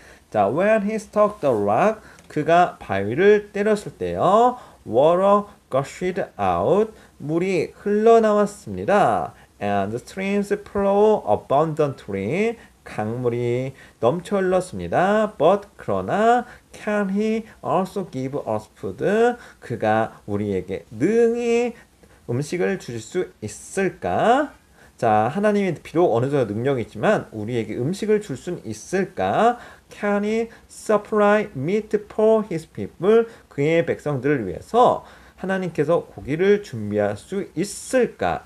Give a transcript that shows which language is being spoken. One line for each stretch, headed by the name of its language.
English: 자, when he struck the rock,
Korean: 그가 바위를 때렸을 때요.
English: Water gushed out,
Korean: 물이 흘러나왔습니다.
English: And streams flow abundantly.
Korean: 강물이 넘쳐 흘렀습니다.
English: But 그러나 can he also give us food?
Korean: 그가 우리에게 능히 음식을 주실 수 있을까? 자, 하나님이 비록 어느 정도 능력이 있지만 우리에게 음식을 줄수 있을까?
English: Can he supply meat for his people?
Korean: 그의 백성들을 위해서 하나님께서 고기를 준비할 수 있을까?